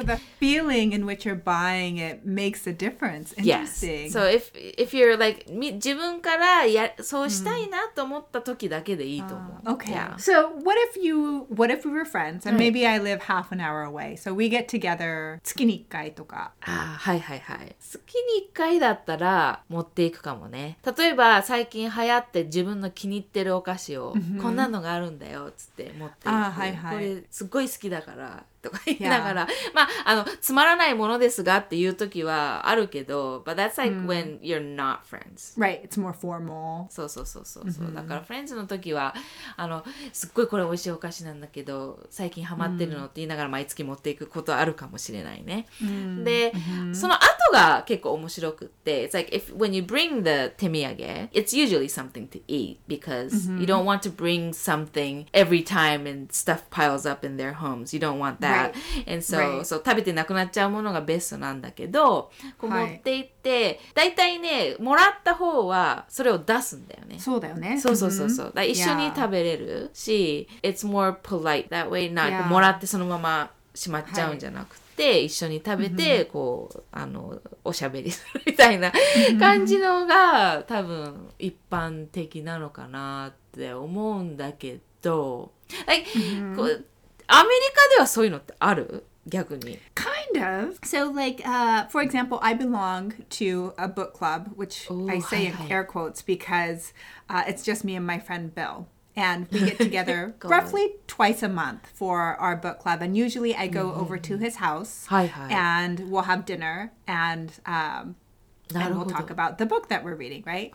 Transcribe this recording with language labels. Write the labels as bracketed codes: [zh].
[en] so the feeling in which you're buying it makes a difference. Interesting. Yes. So if you're like, [ja] 自分からそうしたいなと思った時だけでいいと思う。 [en] Okay. Yeah. So what if we were friends and maybe I live half an hour away. So we get together [ja] 月に1回とか。ああ、はいはいはい。月に1回だったら持っていくかもね。例えば最近流行って自分の気に入ってるお菓子をこんなのがあるんだよっつって持っていく。ああ、はいはい。これすっごい好きだから。とか言いながら、yeah. まあ、あの、つまらないものですがっていう時はあるけど、 [en] but that's like、 [ja] mm-hmm. [en] when you're not friends. Right, it's more formal. [ja] そうそうそうそう。Mm-hmm. だから friends の時は、あの、すっごいこれ美味しいお菓子なんだけど、最近ハマってるのって言いながら毎月持っていくことあるかもしれないね。 Mm-hmm. で、 mm-hmm. その後が結構面白くって、 [en] it's like if, when you bring the 手土産、it's usually something to eat because、mm-hmm. you don't want to bring something every time and stuff piles up in their homes. You don't want that. Right. And so, right. [ja] so, 食べてなくなっちゃうものがベストなんだけど、こう持っていって、はい、大体ね、もらった方はそれを出すんだよね。そうだよね。そうそうそうそう。だ一緒に食べれるし、 [en] yeah. it's more polite that way, not、yeah. [ja] もらってそのまましまっちゃうんじゃなくて、はい、一緒に食べて、mm-hmm. こう、あの、おしゃべりするみたいな感じのが、mm-hmm. 多分一般的なのかなって思うんだけど、like, mm-hmm. こうアメリカではそういうのってある？逆に。 [en] Kind of. So like, for example, I belong to a book club, which I say in air quotes because it's just me and my friend Bill. And we get together roughly twice a month for our book club. And usually I go over to his house and we'll have dinner and, and we'll talk about the book that we're reading, right?